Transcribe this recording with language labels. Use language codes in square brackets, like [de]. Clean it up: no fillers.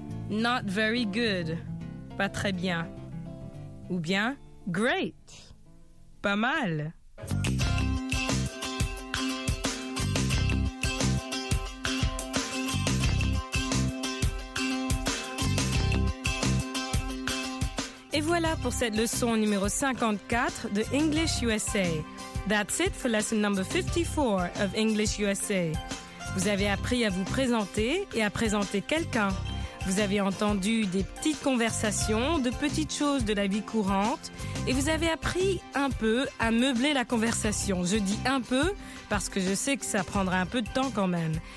[en] Not very good. [fr] Pas très bien. Ou bien, great. Pas mal. Et voilà pour cette leçon numéro 54 de English USA. [en] That's it for lesson number 54 of English USA. [fr] Vous avez appris à vous présenter et à présenter quelqu'un. Vous avez entendu des petites conversations, de petites choses de la vie courante, et vous avez appris un peu à meubler la conversation. Je dis un peu parce que je sais que ça prendra un peu de temps quand même.